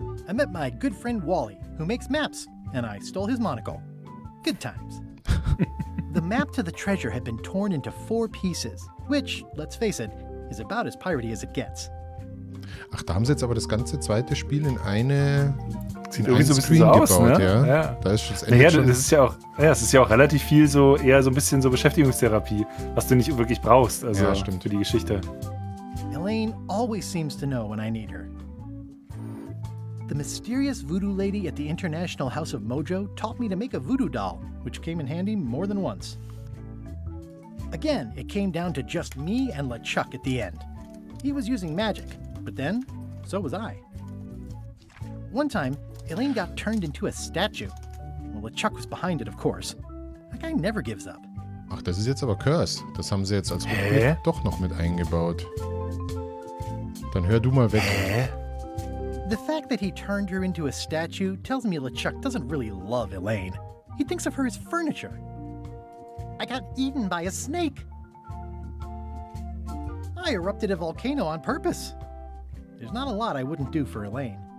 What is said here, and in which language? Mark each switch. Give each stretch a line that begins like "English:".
English: I met my good friend Wally, who makes maps, and I stole his monocle. Good times. The map to the treasure had been torn into 4 pieces, which, let's face it, is about as piratey as it gets.
German: Ach, da haben sie jetzt aber das ganze zweite Spiel in eine sieht irgendwie so ein bisschen so aus, gebaut, ne? Ja. Da ist schon das Ende. Naja, schon. Das ist ja auch, es ist ja auch relativ viel so eher so ein bisschen so Beschäftigungstherapie, was du nicht wirklich brauchst, also für die Geschichte.
English: Elaine always seems to know when I need her. The mysterious voodoo lady at the International House of Mojo taught me to make a voodoo doll, which came in handy more than once. Again, it came down to just me and LeChuck at the end. He was using magic, but then, so was I. One time, Elaine got turned into a statue. Well, LeChuck was behind it, of course. That guy never gives up.
German: Ach, das ist jetzt aber Curse. Das haben sie jetzt als Beruf doch noch mit eingebaut. Dann hör du mal weg. Hä?
English: The fact fact that he turned her into a statue tells me LeChuck doesn't really love Elaine. He thinks of her as furniture. I got eaten by a snake. I erupted a volcano on purpose. There's not a lot I wouldn't do for Elaine.